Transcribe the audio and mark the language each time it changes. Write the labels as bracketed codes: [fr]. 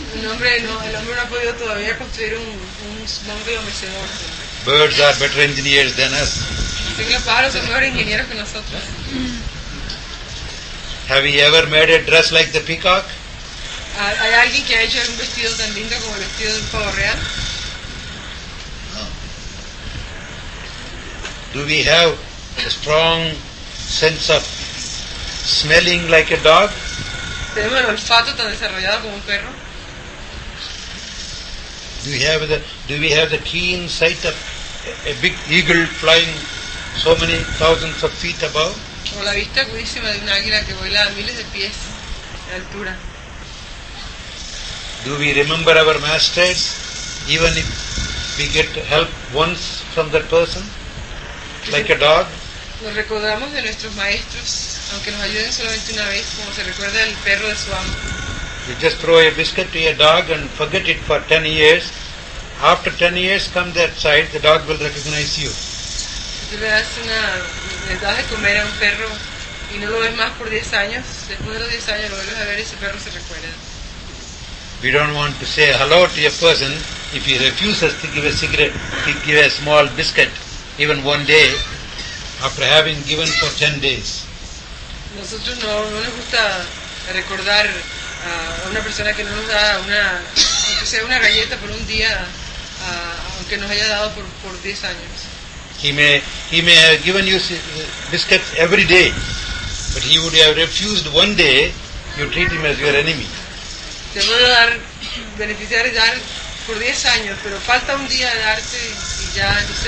[es] El hombre no ha podido todavía construir un bungalow mecedor. [en] Birds are better engineers than us. [es] Sí, los pájaros son mejores ingenieros que nosotros. [en] Have you ever made a dress like the peacock? [es] ¿Hay alguien que ha hecho un vestido tan lindo como el vestido del pavo real? [en] Do we have a strong sense of smelling like a dog? [es] ¿Tenemos el olfato tan desarrollado como un perro? [en] Do we have the keen sight of a big eagle flying so many thousands of feet above? [es] ¿O la vista agudísima de un águila que vuela a miles de pies de altura? [en] Do we remember our masters even if we get help once from that person? Like a dog. [es] Nos recordamos de nuestros maestros, aunque nos ayuden solamente una vez, como se recuerda el perro de su amo. [en] You just throw a biscuit to a dog and forget it for 10 years. After 10 years, come that side, the dog will recognize you. [es] Tú le das de comer a un perro y no lo ves más por 10 años. Después de los 10 años lo vuelves a ver y ese perro se recuerda. [en] We don't want to say hello to a person if he refuses to give a cigarette, to give a small biscuit. Even one day, after having given for 10 days. [es] Nosotros no nos gusta recordar a una persona que no nos da una, aunque sea una galleta por un día, aunque nos haya dado por 10 años. [en] He may have given you biscuits every day, but he would have refused one day. You treat him as your enemy. [es] Te puedo dar beneficiar y dar por 10 años, pero falta un día de darte.